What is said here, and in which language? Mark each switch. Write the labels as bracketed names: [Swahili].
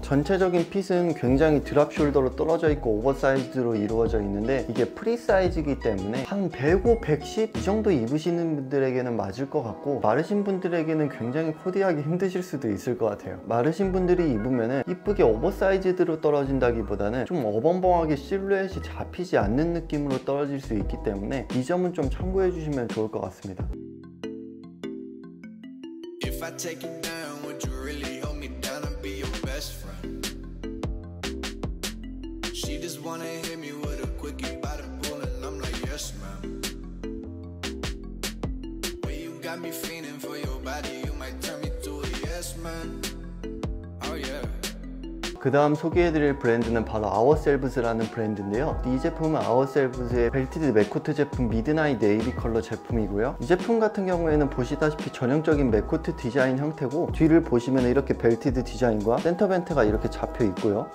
[Korean] 전체적인 핏은 굉장히 드랍 숄더로 떨어져 있고 오버사이즈로 이루어져 있는데 이게 프리사이즈이기 때문에 한 105, 110 이 정도 입으시는 분들에게는 맞을 것 같고, 마르신 분들에게는 굉장히 코디하기 힘드실 수도 있을 것 같아요. 마르신 분들이 입으면은 이쁘게 오버사이즈로 떨어진다기보다는 좀 어벙벙하게 실루엣이 잡히지 않는 느낌으로 떨어질 수 있기 때문에 이 점은 좀 참고해 주시면 좋을 것 같습니다. [English] If I take you down, would you really hold me down and be your best friend? best friend. She just wanna hit me with a quickie by the pool, and I'm like, yes, ma'am. When you got me feeling for your body, you might turn me to a yes, man. Oh, yeah. [Korean] 그 다음 소개해드릴 브랜드는 바로 아워셀브즈라는 브랜드인데요. 이 제품은 아워셀브즈의 벨티드 맥코트 제품 미드나잇 네이비 컬러 제품이고요. 이 제품 같은 경우에는 보시다시피 전형적인 맥코트 디자인 형태고, 뒤를 보시면 이렇게 벨티드 디자인과 센터벤트가 이렇게 잡혀 있고요.